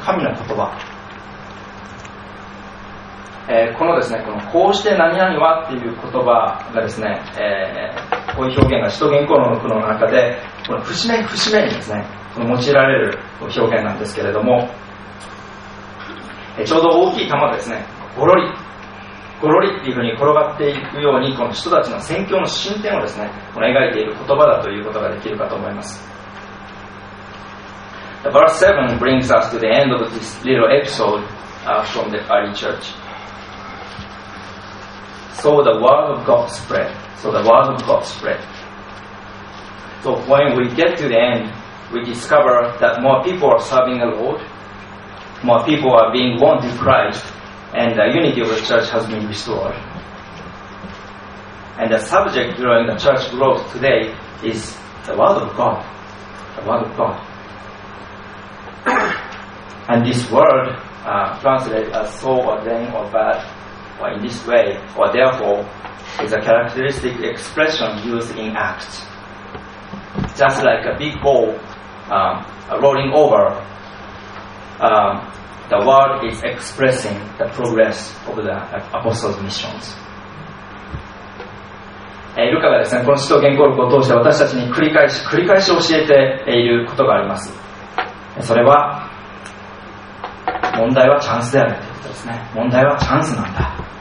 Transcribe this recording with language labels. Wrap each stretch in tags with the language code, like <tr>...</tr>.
<ja>神の言葉、このですね、このこうして何々はっていう言葉がですね、こういう表現が使徒言行の句の中でこの節目節目にですね、この用いられる表現なんですけれども、ちょうど大きい玉ですね、ゴロリゴロリっていうふうに転がっていくように、この人たちの宣教の進展をですね、この描いている言葉だということができるかと思います。</ja> <en>The verse 7 brings us to the end of this little episode from the early church. So the word of God spread. So the word of God spread. So when we get to the end, we discover that more people are serving the Lord, more people are being born to Christ. And the unity of the church has been restored. And the subject during the church growth today is the Word of God. The Word of God. And this word, translated as so or then or bad, or in this way, or therefore, is a characteristic expression used in Acts. Just like a big ball rolling over. The word is expressing the progress of the apostles' missions.</en> <ja>ルカがですね、この使徒言行録を通して私たちに繰り返し教えていることがあります。それは、問題はチャンスであるということですね。問題はチャンスなんだ。</ja>